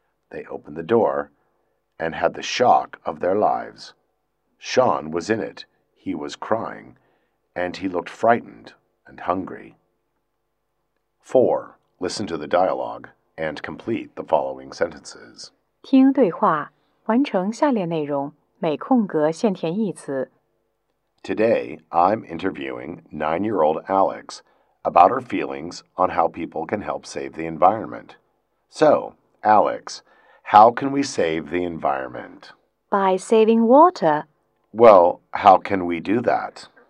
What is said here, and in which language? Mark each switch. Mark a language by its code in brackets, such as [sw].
[en] They opened the door and had the shock of their lives. Sean was in it. He was crying, and he looked frightened and hungry. 4. Listen to the dialogue and complete the following sentences. [zh] 听对话，完成下列内容，每空格限填一词。 [en] Today, I'm interviewing 9-year-old Alex about her feelings on how people can help save the environment. So, Alex, how can we save the environment? By saving water. Well, how can we do that?